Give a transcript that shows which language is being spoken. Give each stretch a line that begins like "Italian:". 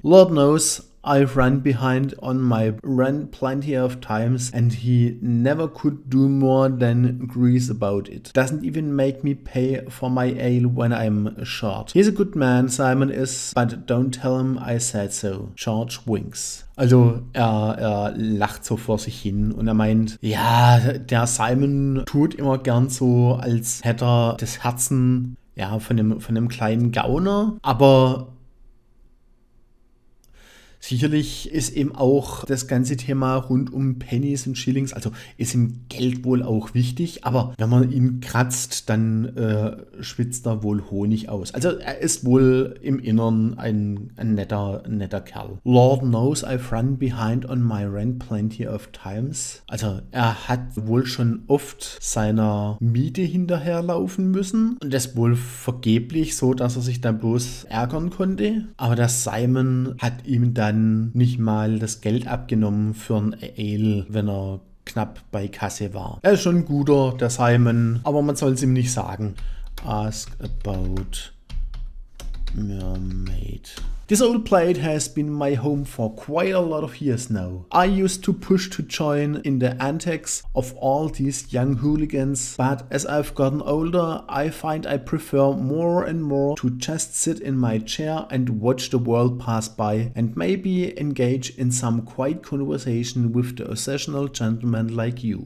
English: Lord knows I've run behind on my rent plenty of times and he never could do more than grease about it. Doesn't even make me pay for my ale when I'm short. He's a good man, Simon is, but don't tell him I said so. George winks.
German: Also er lacht so vor sich hin und er meint, ja, der Simon tut immer gern so, als hätte er das Herzen, ja, von dem kleinen Gauner, aber sicherlich ist ihm auch das ganze Thema rund um Pennies und Shillings, also ist ihm Geld wohl auch wichtig, aber wenn man ihn kratzt, dann schwitzt er wohl Honig aus. Also er ist wohl im Inneren ein netter Kerl.
English: Lord knows I've run behind on my rent plenty of times.
German: Also er hat wohl schon oft seiner Miete hinterherlaufen müssen und das wohl vergeblich, so dass er sich dann bloß ärgern konnte. Aber der Simon hat ihm dann nicht mal das Geld abgenommen für ein Ale, wenn er knapp bei Kasse war. Er ist schon ein guter, der Simon, aber man soll es ihm nicht sagen.
English: Ask about Mermaid. This old plate has been my home for quite a lot of years now. I used to push to join in the antics of all these young hooligans, but as I've gotten older, I find I prefer more and more to just sit in my chair and watch the world pass by and maybe engage in some quiet conversation with the occasional gentleman like you.